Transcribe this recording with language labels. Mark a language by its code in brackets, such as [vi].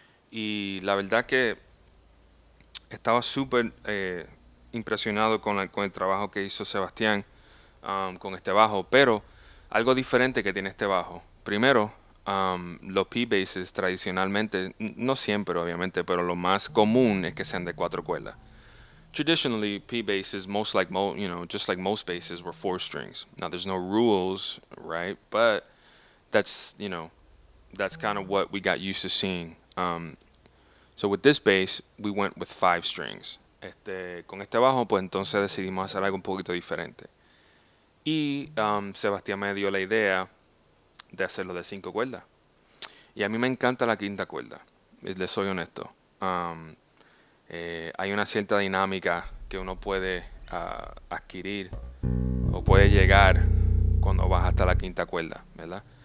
[es] Y la verdad que estaba súper impresionado con el trabajo que hizo Sebastián con este bajo, pero algo diferente que tiene este bajo. Primero, los P-basses tradicionalmente, no siempre obviamente, pero lo más común es que sean de cuatro cuerdas. [en] Traditionally, P-basses, most like mo you know, just like most basses, were four strings. Now, there's no rules, right? But that's kind of what we got used to seeing. So with this bass, we went with five strings. [es] Con este bajo, pues entonces decidimos hacer algo un poquito diferente. Y Sebastián me dio la idea de hacerlo de cinco cuerdas. Y a mí me encanta la quinta cuerda, les soy honesto. Hay una cierta dinámica que uno puede adquirir o puede llegar cuando baja hasta la quinta cuerda, ¿verdad?